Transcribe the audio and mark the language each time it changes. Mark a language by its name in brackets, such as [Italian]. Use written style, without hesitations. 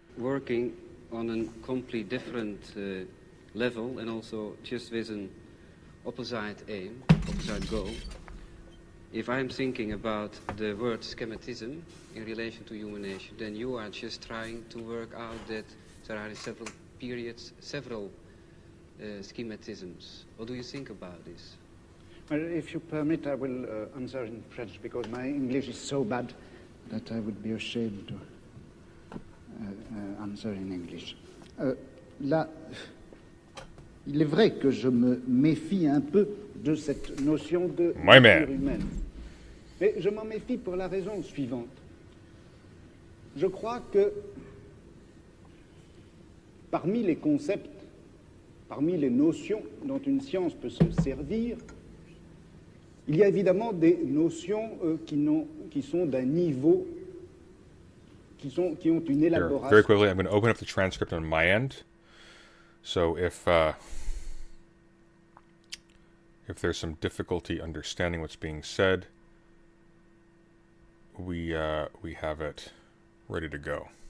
[English] Working on a completely different level and also just with an opposite aim, opposite goal, if I'm thinking about the word schematism in relation to human nature, then you are just trying to work out that there are several periods, several schematisms. What do you think about this? Well, if you permit, I will answer in French because my English is so bad that I would be ashamed to answer in English. [French] Là, il est vrai que je me méfie un peu de cette notion de nature humaine. Mais je m'en méfie pour la raison suivante. Je crois que parmi les concepts, parmi les notions dont une science peut se servir, il y a évidemment des notions qui sont d'un niveau qui ont une élaboration. [English] Here, very quickly, I'm going to open up the transcript on my end. So if there's some difficulty understanding what's being said, we have it ready to go.